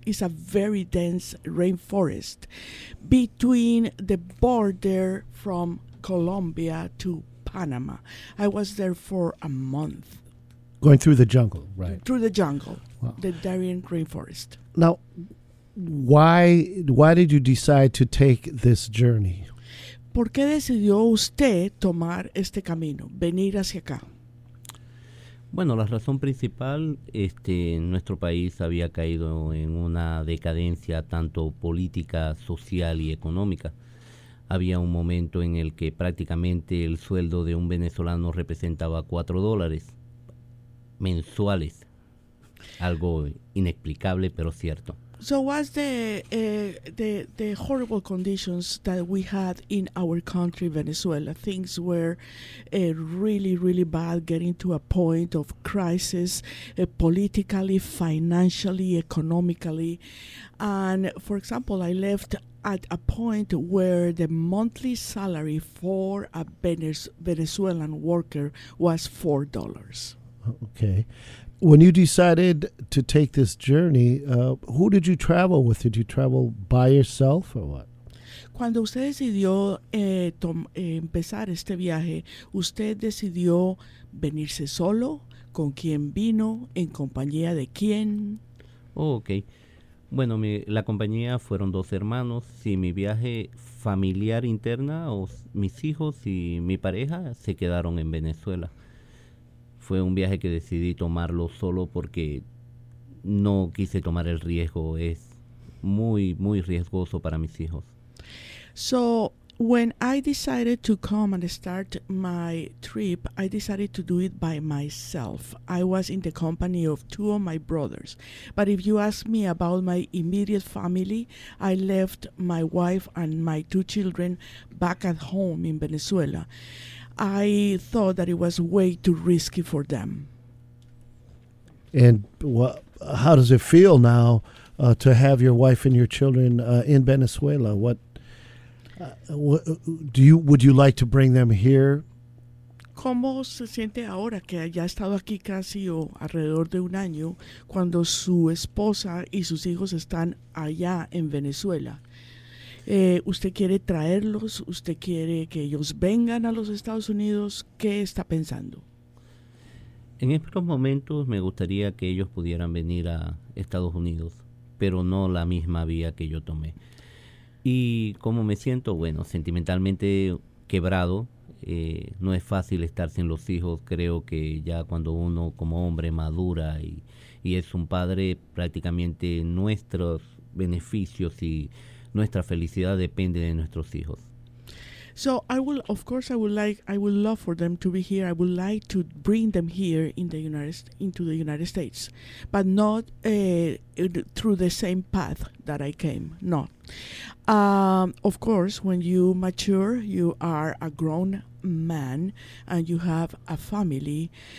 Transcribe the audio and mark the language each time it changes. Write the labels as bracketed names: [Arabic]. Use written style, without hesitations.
[English] It's a very dense rainforest between the border from Colombia to Panama. I was there for a month. Going through the jungle, right? Through the jungle, wow. The Darién rainforest. Now, why did you decide to take this journey? [Spanish] ¿Por qué decidió usted tomar este camino, venir hacia acá? Bueno, la razón principal, nuestro país había caído en una decadencia tanto política, social y económica. Había un momento en el que prácticamente el sueldo de un venezolano representaba $4 mensuales. Algo inexplicable, pero cierto. [English] So what's the horrible conditions that we had in our country, Venezuela? Things were really, really bad, getting to a point of crisis politically, financially, economically. And, for example, I left at a point where the monthly salary for a Venezuelan worker was $4. Okay. When you decided to take this journey, who did you travel with? Did you travel by yourself or what? [Spanish] Cuando usted decidió empezar este viaje, ¿usted decidió venirse solo? ¿Con quién vino? ¿En compañía de quién? Oh, okay. Bueno, la compañía fueron 2 hermanos. Sí, mi viaje familiar interna, o mis hijos y mi pareja se quedaron en Venezuela. Fue un viaje que decidí tomarlo solo porque no quise tomar el riesgo. Es muy, muy riesgoso para mis hijos. [English] So, when I decided to come and start my trip, I decided to do it by myself. I was in the company of 2 of my brothers. But if you ask me about my immediate family, I left my wife and my 2 children back at home in Venezuela. I thought that it was way too risky for them. And how does it feel now to have your wife and your children in Venezuela? Would you like to bring them here? [Spanish] ¿Cómo se siente ahora que ya ha estado aquí casi o alrededor de un año cuando su esposa y sus hijos están allá en Venezuela? ¿Usted quiere traerlos? ¿Usted quiere que ellos vengan a los Estados Unidos? ¿Qué está pensando? En estos momentos me gustaría que ellos pudieran venir a Estados Unidos, pero no la misma vía que yo tomé. ¿Y cómo me siento? Bueno, sentimentalmente quebrado. No es fácil estar sin los hijos. Creo que ya cuando uno como hombre madura y es un padre, prácticamente nuestros beneficios y nuestra felicidad depende de nuestros hijos. [English] So I will, of course, I would love for them to be here. I would like to bring them here in the United, into the United States, but not through the same path that I came. No. Of course, when you mature, you are a grown man and you have a family.